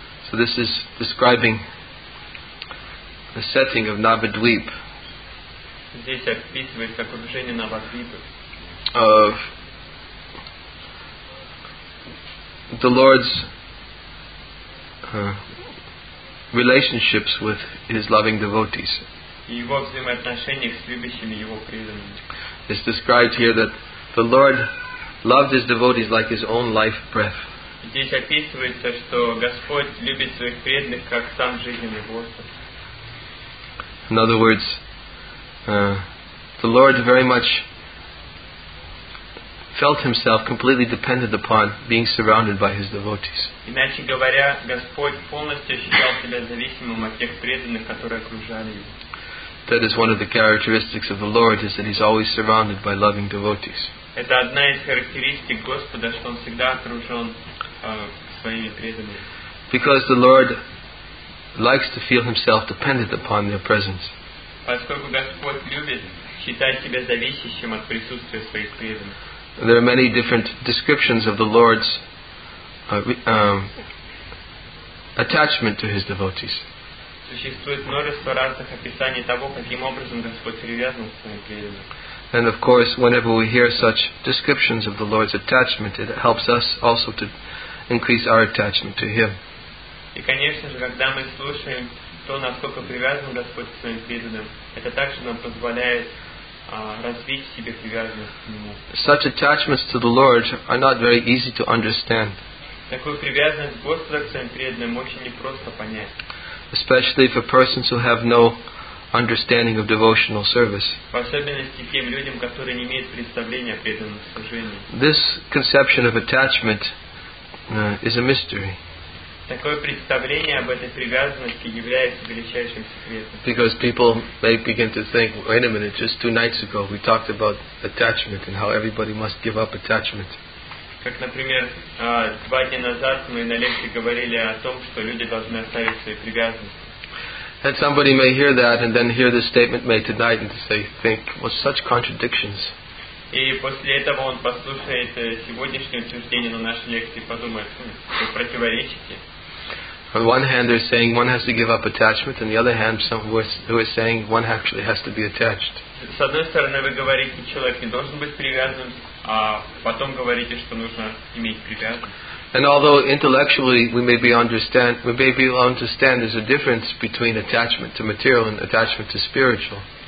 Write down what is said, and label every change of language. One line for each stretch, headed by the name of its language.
English: So this is describing the setting of Navadvip.
Russian: Здесь описывается окружение Навадвипа.
English: Of the Lord's relationships with his loving devotees.
Russian: Его взаимоотношения с любящими его преданными.
English: It's described here that the Lord loved his devotees like his own life breath.
Russian: Здесь описывается, что Господь любит своих преданных как сам жизненный воздух.
English: In other words, the Lord very much felt himself completely dependent upon being surrounded by his devotees.
Russian: Иначе говоря, Господь полностью считал себя зависимым от тех преданных, которые окружали его.
English: That is one of the characteristics of the Lord, is that he's always surrounded by loving devotees.
Russian: Это одна из характеристик Господа, что он всегда окружён своими преданными.
English: Because the Lord likes to feel himself dependent upon their presence.
Russian: Поскольку Господь любит считать себя зависящим от присутствия своих преданных.
English: There are many different descriptions of the Lord's attachment to his devotees.
Russian: Существует множество разных описаний того, каким образом Господь привязан к своим преданным.
English: And of course, whenever we hear such descriptions of the Lord's attachment, it helps us also to increase our attachment to him.
Russian: И конечно же, когда мы слушаем то, насколько привязан Господь к своим преданным, это также нам позволяет развить в себе привязанность к нему.
English: Such attachments to the Lord are not very easy to understand.
Russian: Такую привязанность Господа к своим преданным очень непросто понять.
English: Especially for persons who have no understanding of devotional service.
Russian: В особенности тем людям, которые не имеют представления о преданном служении.
English: This conception of attachment is a mystery.
Russian: Такое представление об этой привязанности является величайшим секретом.
English: Because people may begin to think, wait a minute, just two nights ago we talked about attachment and how everybody must give up attachment.
Russian: Как, например, два дня назад мы на лекции говорили о том, что люди должны оставить свои привязанности.
English: And somebody may hear that and then hear this statement made tonight and say, think, what such contradictions.
Russian: И после этого он послушает сегодняшнее утверждение на нашей лекции и подумает, что противоречите.
English: On one hand they're saying one has to give up attachment, on the other hand some who are saying one actually has to be attached.
Russian: С одной стороны вы говорите, человек не должен быть привязанным, а потом говорите, что нужно иметь привязанность.
English: And although intellectually we may be able to understand there's a difference between attachment to material and attachment to spiritual.